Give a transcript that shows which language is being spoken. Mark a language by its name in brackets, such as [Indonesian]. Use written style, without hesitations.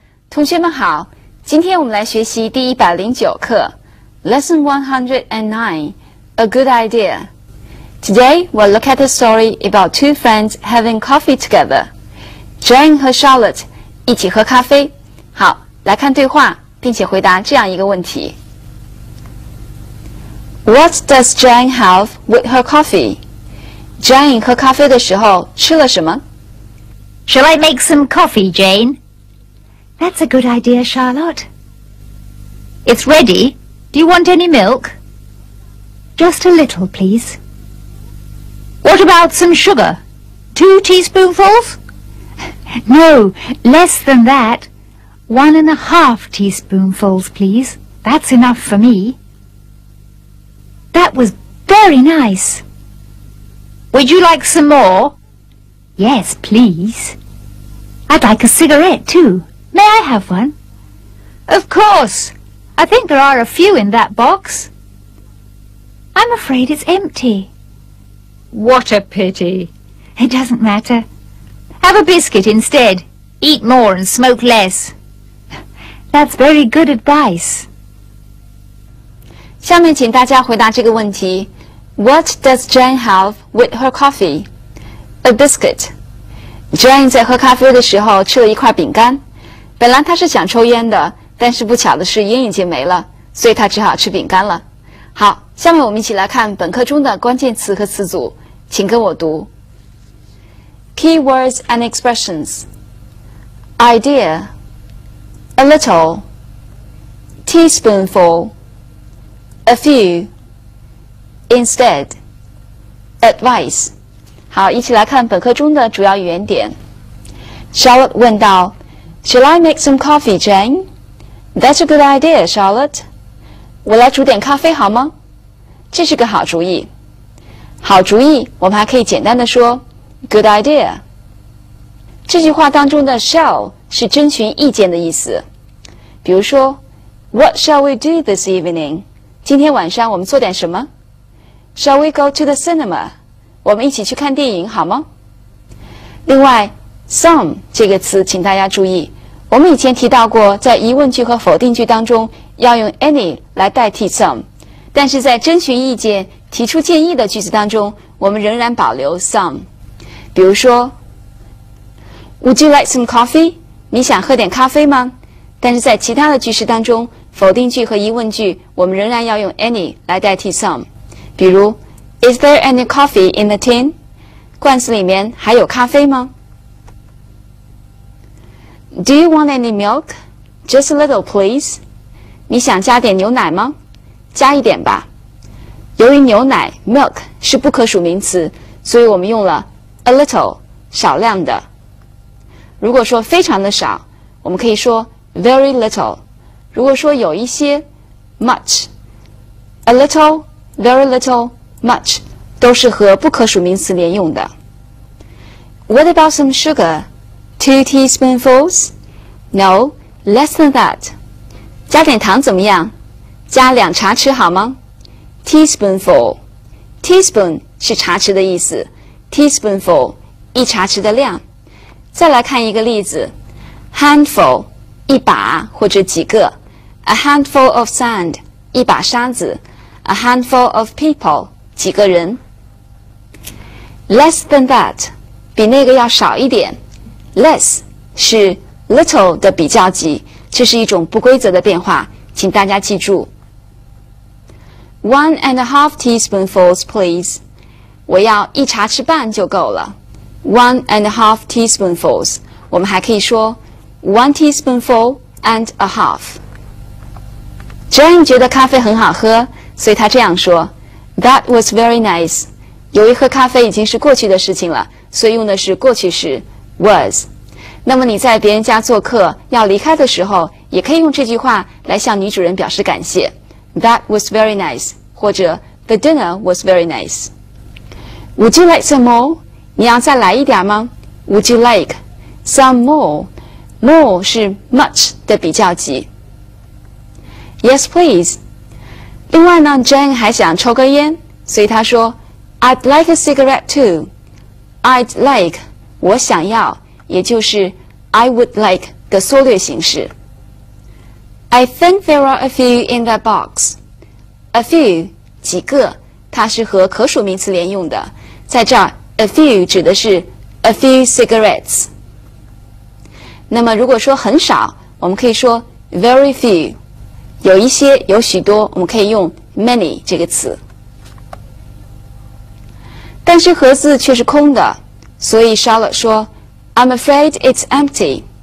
[Chinese] 同学们好，今天我们来学习第109课 [English] Lesson 109 A Good Idea. Today we'll look at a story about two friends having coffee together. [Chinese] Jane 和 Charlotte 一起喝咖啡。好，来看对话，并且回答这样一个问题。 [English] What does Jane have with her coffee? [Chinese] Jane 喝咖啡的时候吃了什么？ [English] Shall I make some coffee, Jane? That's a good idea, Charlotte. It's ready. Do you want any milk? Just a little, please. What about some sugar? 2 teaspoonfuls? No, less than that. 1.5 teaspoonfuls, please. That's enough for me. That was very nice. Would you like some more? Yes, please. I'd like a cigarette, too. May I have one? Of course. I think there are a few in that box. I'm afraid it's empty. What a pity. It doesn't matter. Have a biscuit instead. Eat more and smoke less. That's very good advice. [Chinese] 下面请大家回答这个问题。 [English] What does Jane have with her coffee? A biscuit. [Chinese] Jane 在喝咖啡的时候吃了一块饼干。本来他是想抽烟的，但是不巧的是烟已经没了，所以他只好吃饼干了。好，下面我们一起来看本课中的关键词和词组，请跟我读。 [English] Keywords and expressions. Idea. A little. Teaspoonful. A few. Instead. Advice. [Chinese] 好，一起来看本课中的主要语言点。 [English] Charlotte [Chinese] 问道， [English] Shall I make some coffee, Jane? That's a good idea, Charlotte. [Chinese] 我来煮点咖啡好吗？这是个好主意。好主意，我们还可以简单的说 [English] good idea. [Chinese] 这句话当中的 shall 是征询意见的意思。比如说 [English] What shall we do this evening? [Chinese] 今天晚上我们做点什么？ [English] Shall we go to the cinema? [Chinese] 我们一起去看电影好吗？另外Some 这个词请大家注意，我们以前提到过在疑问句和否定句当中要用 any 来代替 some， 但是在征询意见提出建议的句子当中我们仍然保留 some。比如说 [English] Would you like some coffee? [Chinese] 你想喝点咖啡吗？但是在其他的句式当中否定句和疑问句我们仍然要用 any 来代替 some。比如 [English] Is there any coffee in the tin? [Chinese] 罐子里面还有咖啡吗？ [English] Do you want any milk? Just a little, please. [Chinese] 你想加点牛奶吗？加一点吧。由于牛奶 milk 是不可数名词，所以我们用了 a little 少量的。如果说非常的少，我们可以说 [English] very little. [Chinese] 如果说有一些 [English] much, a little, very little, much [Chinese] 都是和不可数名词连用的。 [English] What about some sugar? 2 teaspoonfuls? No, less than that. [Chinese] 加点糖怎么样？加两茶匙好吗？Teaspoonful. Teaspoon 是茶匙的意思。Teaspoonful, 一茶匙的量。再来看一个例子。 Handful, 一把或者几个。 [English] A handful of sand, [Chinese] 一把沙子。 [English] A handful of people, [Chinese] 几个人。 [English] Less than that, [Chinese] 比那个要少一点。Less 是 little 的比较级，这是一种不规则的变化，请大家记住。 [English] 1.5 teaspoonfuls, please. [Chinese] 我要一茶匙半就够了。 [English] 1.5 teaspoonfuls, [Chinese] 我们还可以说 [English] 1 teaspoonful and a half. [Chinese] Jane 觉得咖啡很好喝，所以她这样说 [English] That was very nice. [Chinese] 由于喝咖啡已经是过去的事情了，所以用的是过去式 was. 那么你在别人家做客要离开的时候也可以用这句话来向女主人表示感谢。 [English] That was very nice, [Chinese] 或者 [English] The dinner was very nice. Would you like some more? [Chinese] 你要再来一点吗？ [English] Would you like some more? [Chinese] More 是 much 的比较级。 [English] Yes, please. [Chinese] 另外呢 Jane 还想抽根烟，所以她说 [English] I'd like a cigarette too. [Chinese] I'd like, 我想要，也就是 [English] I would like [Chinese] 的缩略形式。 [English] I think there are a few in that box. [Chinese] A few, 几个，它是和可数名词连用的。在这儿 ，a few 指的是 [English] a few cigarettes。 [Chinese] 那么如果说很少，我们可以说 [English] very few， [Chinese] 有一些，有许多，我们可以用 many 这个词。但是盒子却是空的，所以 Charlotte 说 ， [English] I'm afraid it's empty.